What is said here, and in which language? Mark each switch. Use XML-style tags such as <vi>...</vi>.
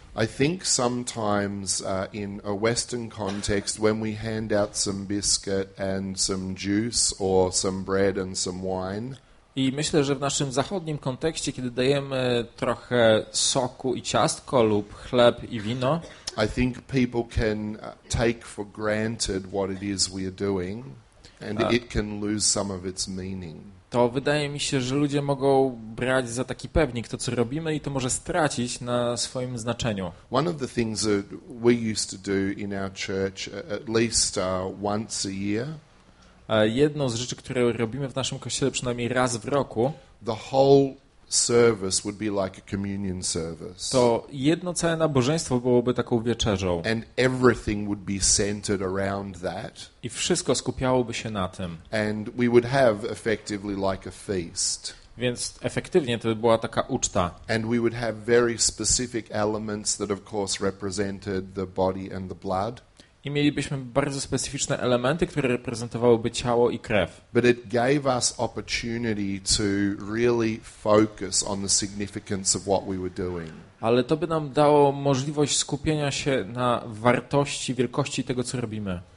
<en>I think sometimes in a Western context, when we hand out some biscuit and some juice or some bread and some wine.</en> <pl>I myślę, że w naszym zachodnim kontekście, kiedy dajemy trochę soku i ciastko lub chleb i wino,</pl> <en>I think people can take for granted what it is we are doing, and it can lose some of its meaning.</en> <pl>To wydaje mi się, że ludzie mogą brać za taki pewnik to, co robimy, i to może stracić na swoim znaczeniu.</pl> <en>One of the things that we used to do in our church at least once a year.</en> <pl>Jedną z rzeczy, które robimy w naszym kościele przynajmniej raz w roku.</pl> <en>The whole service would be like a communion service.</en> <pl>To jedno całe nabożeństwo byłoby taką wieczerzą.</pl> <en>And everything would be centered around that.</en> <pl>I wszystko skupiałoby się na tym.</pl> <en>And we would have effectively like a feast.</en> <pl>Więc efektywnie to by była taka uczta.</pl> <en>And we would have very specific elements that of course represented the body and the blood.</en> <pl>I mielibyśmy bardzo specyficzne elementy, które reprezentowałyby ciało i krew.</pl> <en>But it gave us opportunity to really focus on the significance of what we were doing.</en> <pl>Ale to by nam dało możliwość skupienia się na wartości, wielkości tego, co robimy.</pl>